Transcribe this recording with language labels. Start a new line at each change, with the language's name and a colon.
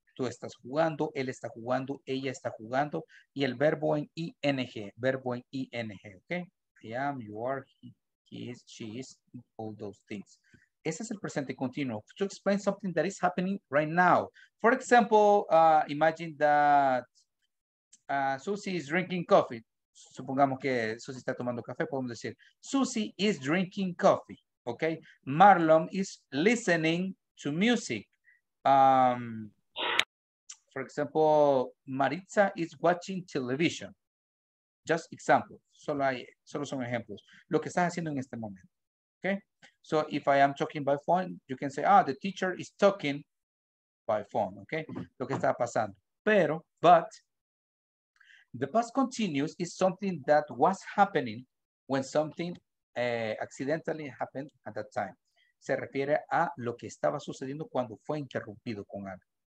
Spanish: Tú estás jugando, él está jugando, ella está jugando. Y el verbo en ing. Verbo en ing, okay? I am, you are, he is, she is, all those things. Ese es el presente continuo.
English: To explain something that is happening right now. For example, imagine that Susie is drinking coffee.
Spanish: Supongamos que Susie está tomando café, podemos decir,
English: Susie is drinking coffee,
Spanish: okay?
English: Marlon is listening to music. For example, Maritza is watching television. Just example,
Spanish: solo son ejemplos. Lo que estás haciendo en este momento, okay?
English: So if I am talking by phone, you can say, the teacher is talking by phone, okay?
Spanish: Lo que está pasando.
English: But, the past continuous is something that was happening when something accidentally happened at that time.
Spanish: Se refiere a lo que estaba sucediendo cuando fue interrumpido con algo.